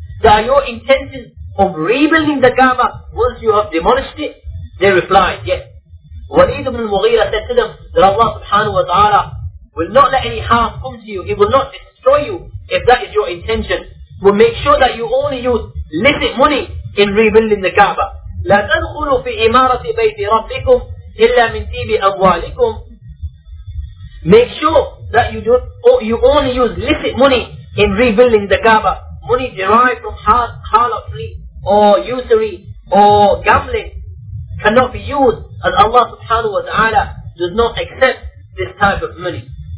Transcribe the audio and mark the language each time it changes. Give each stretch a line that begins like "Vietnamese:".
English: That are your intentions of rebuilding the Kaaba once you have demolished it? They replied, yes. Waleed ibn al-Mughira said to them that Allah subhanahu wa ta'ala will not let any harm come to you. He will not destroy you if that is your intention. Will make sure that you only use licit money in rebuilding the Kaaba.
Arabic: لا تدخلوا في إمارة بيت ربكم إلا من تيب أموالكم.
English: Make sure that you only use licit money in rebuilding the Kaaba. Money derived from harlotry or usury or gambling cannot be used, as Allah subhanahu wa ta'ala does not accept this type of money.